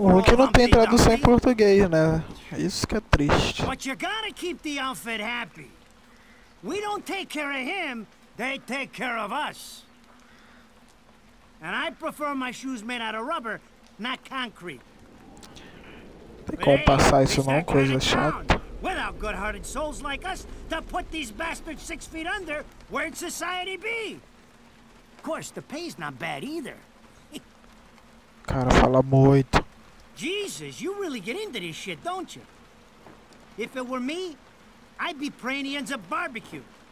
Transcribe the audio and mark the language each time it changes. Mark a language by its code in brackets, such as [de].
[pt] O que não tem tradução em português, né? Isso que é triste. [en] But you gotta keep the outfit happy. We don't take care of him, they take care of us. And I prefer my shoes made out of rubber, not concrete. [pt] Tem como passar isso não, coisa chata. [en] Without good-hearted souls like us to put these bastards 6 feet under, where'd society be? Of course, the pay's not bad either. [pt] Cara, fala muito. [en] Jesus, you really get into this shit, don't you? If it were me, I'd be praying he ends up barbecue.